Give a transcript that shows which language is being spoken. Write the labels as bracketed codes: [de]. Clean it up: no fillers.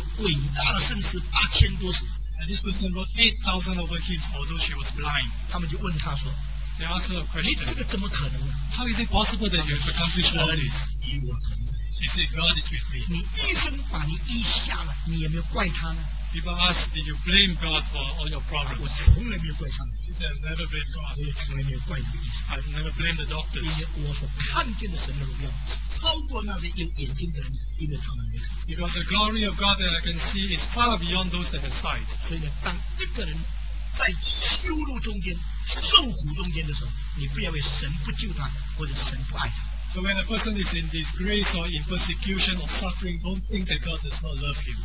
[zh] 或者竟然一个瞎子，一个女子，几十年瞎子在黑暗中间生活，会写伟大的圣诗8000多首, [en] and this person wrote 8,000 over hymns, although she was blind. [zh] 他们就问他说, [en] they asked her a question, [zh] 你这个怎么可能呢? [en] How is it possible that you have accomplished all this? He said, God is with me. [zh] 你医生把你医瞎了，你也没有怪他呢。 [en] People ask, did you blame God for all your problems? [zh] 我从来没有怪上帝。 [en] He said, I've never blamed God. [zh] 我也从来没有怪那个医生。 [en] I've never blamed the doctors. [zh] 因为我所看见的神的荣耀，超过那些有眼睛的人，因为他们没有。Because [en] the glory of God that I can see is far beyond those that have sight. [zh] 所以呢，当一个人在羞辱中间、受苦中间的时候，你不要以为神不救他，或者神不爱他。 [en] So when a person is in disgrace or in persecution or suffering, don't think that God does not love him.